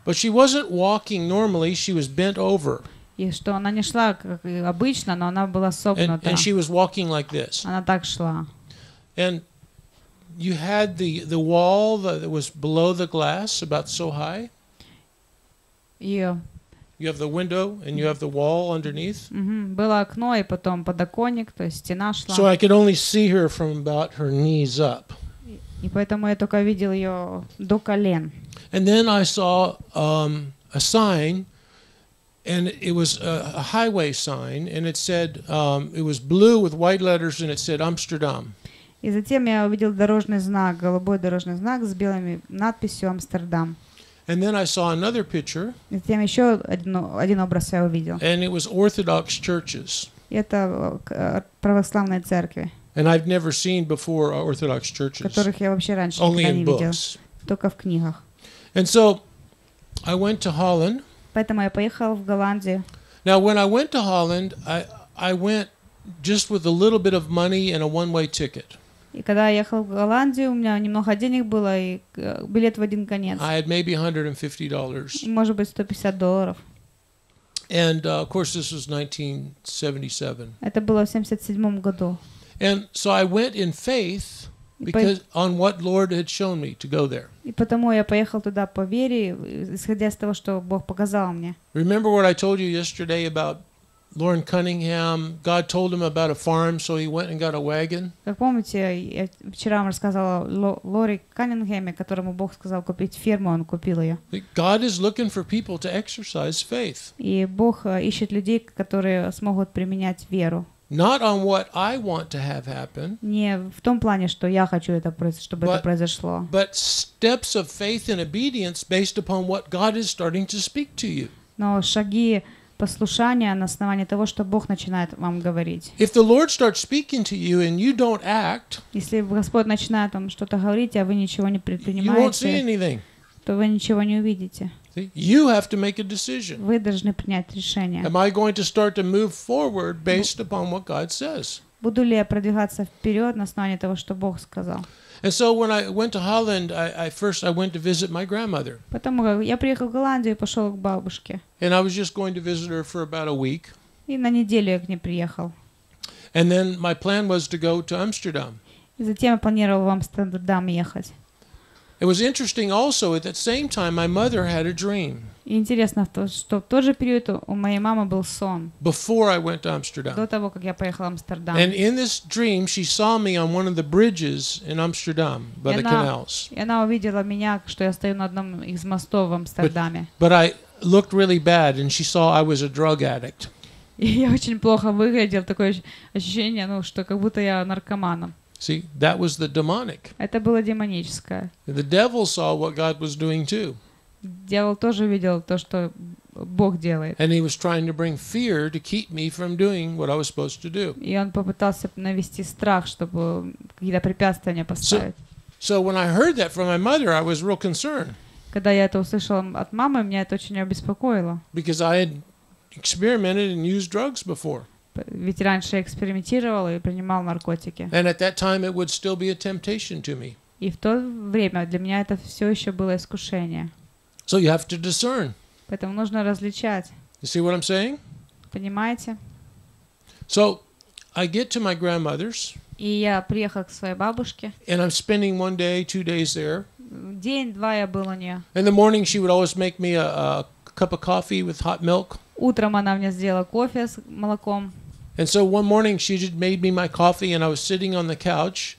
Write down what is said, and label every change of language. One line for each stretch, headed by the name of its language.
English: But she wasn't walking normally, she was bent over.
Russian: И что она не шла как обычно, но она была согнута.
English: And she was walking like this.
Russian: Она так шла.
English: And you had the wall that was below the glass, about so high. Yeah. You have the window and you have the wall underneath. Mm-hmm.
Russian: Было окно и потом подоконник, то есть стена шла.
English: So I could only see her from about her knees up.
Russian: И поэтому я только видел ее до колен.
English: And then I saw a sign. And it was a highway sign, and it said it was blue with white letters, and it said Amsterdam.
Russian: И затем я увидел дорожный знак, голубой дорожный знак с белыми надписью Амстердам.
English: And then I saw another picture.
Russian: И затем еще один образ я увидел.
English: And it was Orthodox churches.
Russian: И это православные церкви.
English: And I've never seen before Orthodox churches.
Russian: Которых я вообще раньше никогда не видел.
English: Only in books.
Russian: Только в книгах.
English: And so I went to Holland.
Russian: Поэтому я поехал в Голландию.
English: Now when I went to Holland, I went just with a little bit of money and a one-way ticket.
Russian: И когда я ехал в Голландию, у меня немного денег было и билет в один конец.
English: I had maybe $150.
Russian: Может быть, $150.
English: And of course, this was 1977.
Russian: Это было в 77 году.
English: And so I went in faith because on what Lord had shown me to go there.
Russian: И потому я поехал туда по вере, исходя из того, что Бог показал мне.
English: Remember what I told you yesterday about Lauren Cunningham? God told him about a farm, so he went and got a wagon.
Russian: Как помните, я вчера вам рассказала Лори Каннингеме, которому Бог сказал купить ферму, он купил ее.
English: God is looking for people to exercise faith.
Russian: И Бог ищет людей, которые смогут применять веру.
English: Not on what I want to have happen.
Russian: Не в том плане, что я хочу это, чтобы это произошло.
English: But steps of faith and obedience based upon what God is starting to speak to you.
Russian: Но шаги послушания на основании того, что Бог начинает вам говорить.
English: If the Lord starts speaking to you and you don't act,
Russian: если Господь начинает вам что-то говорить, а вы ничего не предпринимаете,
English: you won't see anything.
Russian: То вы ничего не увидите.
English: See, you have to make a decision.
Russian: Вы должны принять решение.
English: Am I going to start to move forward based upon what God says?
Russian: Буду ли я продвигаться вперед на основании того, что Бог сказал?
English: And so when I went to Holland, I went to visit my grandmother.
Russian: Потом я приехал в Голландию и пошел к бабушке.
English: And I was just going to visit her for about a week.
Russian: И на неделю я к ней приехал.
English: And then my plan was to go to Amsterdam.
Russian: И затем я планировал в Амстердам ехать.
English: It was interesting also at that same time my mother had a dream.
Russian: Интересно то, что в тот же период у моей мамы был сон.
English: Before I went to Amsterdam.
Russian: До того, как я поехала в Амстердам.
English: And in this dream she saw me on one of the bridges in Amsterdam by the canals.
Russian: И она увидела меня, что я стою на одном из мостов в Амстердаме.
English: But I looked really bad and she saw I was a drug addict.
Russian: И я очень плохо выглядел, такое ощущение, ну, что как будто я наркоманом.
English: See, that was the demonic.
Russian: Это было демоническое.
English: The devil saw what God was doing too.
Russian: Дьявол тоже видел то, что Бог делает.
English: And he was trying to bring fear to keep me from doing what I was supposed to do.
Russian: И он попытался навести страх, чтобы какие-то препятствия не поставить.
English: So when I heard that from my mother, I was real concerned.
Russian: Когда я это услышал от мамы, меня это очень обеспокоило.
English: Because I had experimented and used drugs before.
Russian: Ведь раньше я экспериментировал и принимал наркотики.
English: And at that time it would still be a temptation to me.
Russian: И в то время для меня это все еще было искушение.
English: So you have to discern.
Russian: Поэтому нужно различать.
English: You see what I'm saying?
Russian: Понимаете?
English: So I get to my grandmother's.
Russian: И я приехал к своей бабушке.
English: And I'm spending one day, two days there.
Russian: День-два я был у нее.
English: In the morning she would always make me a cup of coffee with hot milk.
Russian: Утром она мне сделала кофе с молоком.
English: And so one morning she just made me my coffee and I was sitting on the couch.